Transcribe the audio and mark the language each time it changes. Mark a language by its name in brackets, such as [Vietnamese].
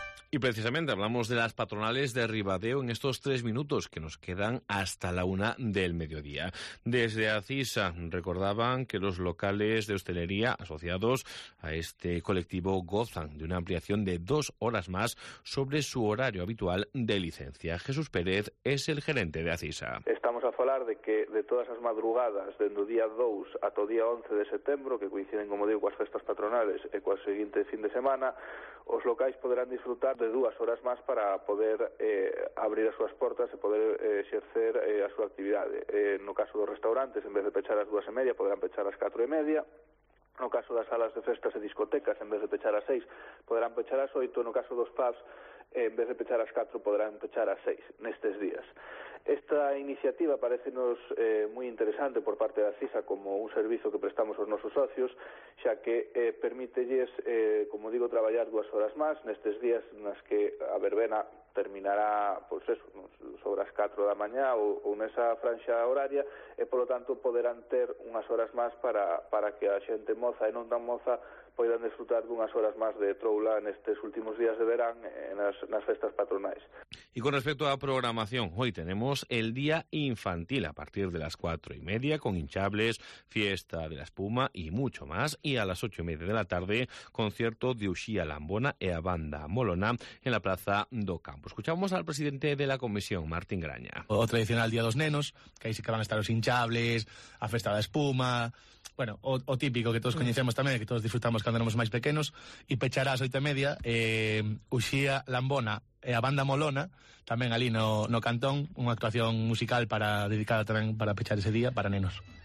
[Spanish] Y precisamente hablamos de las patronales de Ribadeo en estos 3 minutos que nos quedan hasta la 1 del mediodía. Desde ACISA recordaban que los locales de hostelería asociados a este colectivo gozan de una ampliación de 2 horas más sobre su horario habitual de licencia. Jesús Pérez es el gerente de ACISA. [Galician] Estamos a falar de que de todas as madrugadas, dende o día 2 ata o día 11 de setembro, que coinciden, como digo, coas festas patronales e coas seguinte fin de semana, os locais poderán disfrutar de 2 horas máis para poder abrir as súas portas e poder exercer a súa actividade. No caso dos restaurantes, en vez de pechar as 2:30, poderán pechar as 4:30. No caso das salas de festas e discotecas, en vez de pechar as 6, poderán pechar as 8. No caso dos pubs, en vez de pechar as 4, poderán pechar as 6 nestes días. Esta iniciativa parece-nos moi interesante por parte da CISA como un servizo que prestamos aos nosos socios, xa que permítelles, como digo, traballar 2 horas máis nestes días nas que a verbena terminará, pois eso, sobre as 4 da mañá ou nesa franxa horaria, e, polo tanto, poderán ter unhas horas máis para que a xente moza e non tan moza poidan disfrutar dunhas horas máis de troula nestes últimos días de verán nas festas patronais. [Spanish] E con respecto á programación, hoy tenemos el Día Infantil a partir de las 4:30 con hinchables, fiesta de la espuma y mucho más, y a las 8:30 de la tarde, concierto de Uxía Lambona e a banda Molona en la Plaza do Campo. Escuchamos al presidente de la comisión, Martín Graña. [Galician] O tradicional Día dos Nenos, que aí sí que van a estar os hinchables, a festa da espuma. Bueno, o típico que todos coñecemos tamén, que todos disfrutamos cando éramos máis pequenos, e pechará as 8:30, Uxía Lambona e a banda Molona, tamén ali no cantón, unha actuación musical para dedicada tamén para pechar ese día para nenos.